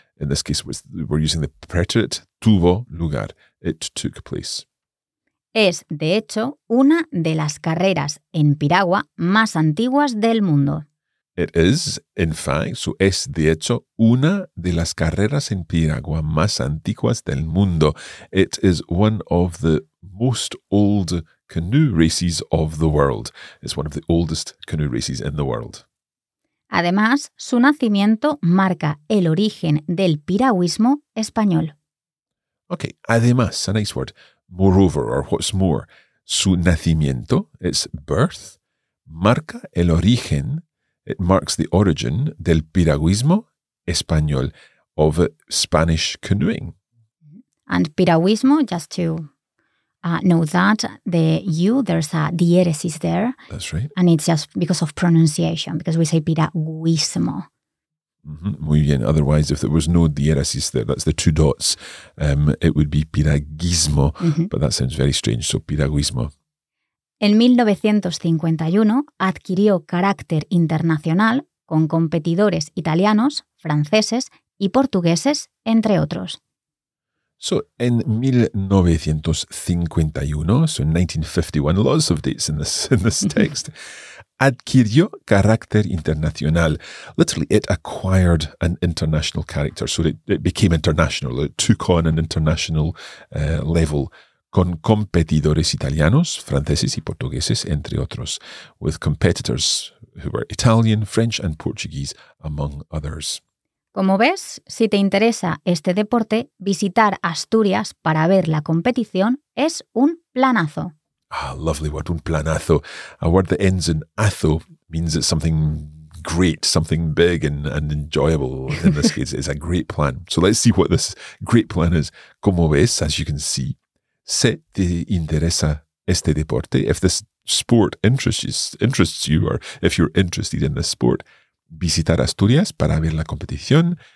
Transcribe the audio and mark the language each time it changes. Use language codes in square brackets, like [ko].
[en] In this case, we're using the preterite, tuvo lugar, it took place. [es] Es, de hecho, una de las carreras en piragua más antiguas del mundo. [en] It is, in fact, so [es] es, de hecho, una de las carreras en piragua más antiguas del mundo. [en] It is one of the most old canoe races of the world. It's one of the oldest canoe races in the world. [es] Además, su nacimiento marca el origen del piragüismo español. [en] Okay, [es] además, [en] a nice word. Moreover, or what's more, [es] su nacimiento, [en] its birth, [es] marca el origen, [en] it marks the origin [es] del piragüismo español, [en] of Spanish canoeing. And piragüismo, just to know that, the U, there's a diéresis there. That's right. And it's just because of pronunciation, because we say piragüismo. [es] Muy bien. [en] Otherwise, if there was no diéresis there, that's the two dots, it would be piragüismo, but that sounds very strange, so piragüismo. [es] En 1951 adquirió carácter internacional con competidores italianos, franceses y portugueses, entre otros. [en] So, en 1951, lots of dates in this text, [es] adquirió carácter internacional. [en] Literally, it acquired an international character, so it became international, it took on an international level. [es] Con competidores italianos, franceses y portugueses, entre otros. [en] With competitors who were Italian, French and Portuguese, among others. [es] Como ves, si te interesa este deporte, visitar Asturias para ver la competición es un planazo. [en] Ah, lovely word, [es] un planazo. [en] A word that ends in "-azo", means it's something great, something big and enjoyable. In this case, it's a great plan. So let's see what this great plan is. [es] Como ves, [en] as you can see, [es] se te interesa este deporte, [en] if this sport interests you, or if you're interested in this sport, [es] visitar Asturias para ver la competición.